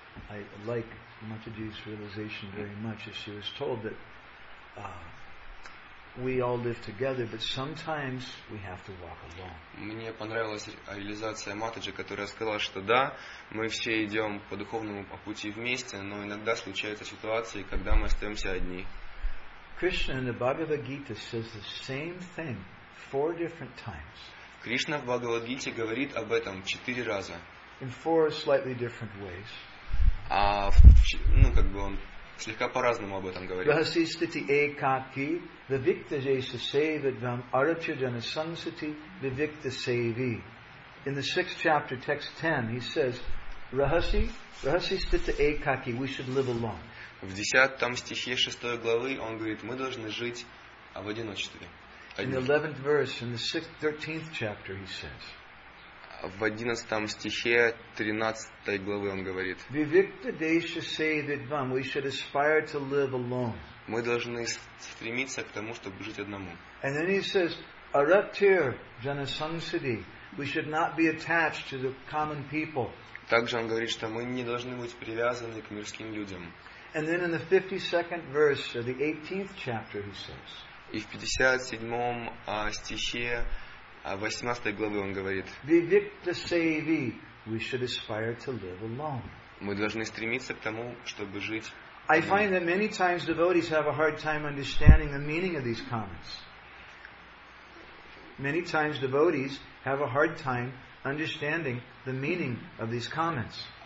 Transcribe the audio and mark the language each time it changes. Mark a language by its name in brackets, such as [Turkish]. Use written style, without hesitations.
[English] I like Mataji's realization very much, as she was told that we all live together, but sometimes we have to walk alone. [Russian] Мне понравилась реализация Матаджи, которая сказала, что да, мы все идем по духовному пути вместе, но иногда случаются ситуации, когда мы остаемся одни. [English] Krishna in the Bhagavad Gita says the same thing 4 different times. [Russian] Кришна в Бхагавад Гите говорит об этом 4 раза. [English] In 4 slightly different ways. [Russian] А он слегка по-разному об этом говорит. [Sanskrit] Vasisthiti ekaki, vivikta-jesa sevidvam, arachyajana-sansati, vivikta-sevi. [English] In the 6th chapter, text 10, he says, [Sanskrit] Rahasisthiti ekaki, [English] we should live alone. [Russian] В 10 стихе 6 главы он говорит, мы должны жить в одиночестве. [English] In the 11th verse, in the 13th chapter, he says, [Russian] в 11 стихе 13 главы он говорит, [Sanskrit] Vivikta desha sevidvam, [English] we should aspire to live alone. [Russian] Мы должны стремиться к тому, чтобы жить одному. [English] And then he says, [Sanskrit] Aratir janasansadi, [English] we should not be attached to the common people. [Russian] Также он говорит, что мы не должны быть привязаны к мирским людям. [English] And then in the 52nd verse of the 18th chapter he says, [Russian] и в 57 стихе а в 18 главе он говорит, [Sanskrit] Vivikta sevi, [English] we should aspire to live alone. [Russian] Мы должны стремиться к тому, чтобы жить. [English] I find that many times devotees have a hard time understanding the meaning of these comments. Many times devotees have a hard time understanding the meaning of these comments.